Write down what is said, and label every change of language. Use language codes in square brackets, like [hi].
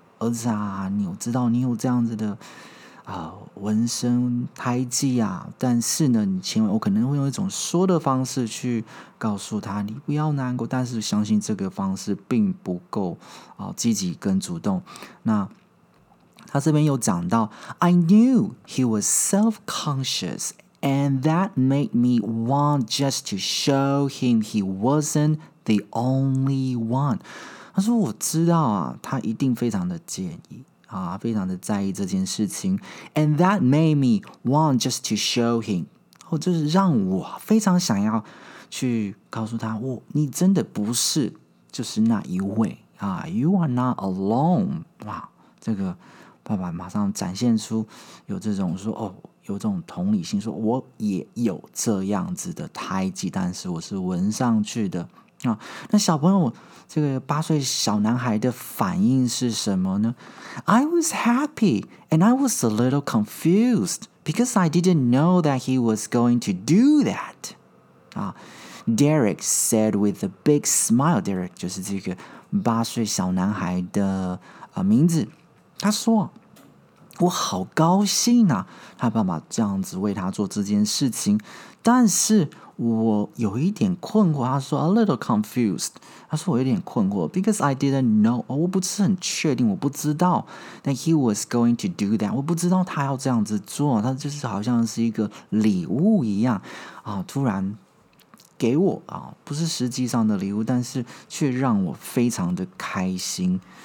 [zh] 子啊，你有知道你有这样子的纹身胎记啊，但是呢你千万，我可能会用一种说的方式去告诉他你不要难过，但是相信这个方式并不够积极跟主动。 [en] 那他这边有讲到 I knew he was self-consciousAnd that made me want just to show him he wasn't the only one. 他说我知道啊，他一定非常的介意 [zh] 非常的在意这件事情。 And that made me want just to show him，或者是让我非常想要去告诉他，哦，你真的不是就是那一位， You are not alone。哇，这个爸爸马上展现出有这种说，哦，有这种同理心，说我也有这样子的胎记，但是我是闻上去的。那小朋友，这个八岁小男孩的反应是什么呢？ [en] I was happy and I was a little confused because I didn't know that he was going to do that. Derek said with a big smile. [zh] Derek 就是这个八岁小男孩的名字。他说，我好高兴啊，他爸爸这样子为他做这件事情，但是我有一点困惑。他说 a little confused，他说我有点困惑， because I didn't know，我不是很确定，我不知道 that he was going to do that，我不知道他要这样子做，他就是好像是一个礼物一样，突然给我，不是实际上的礼物，但是却让我非常的开心。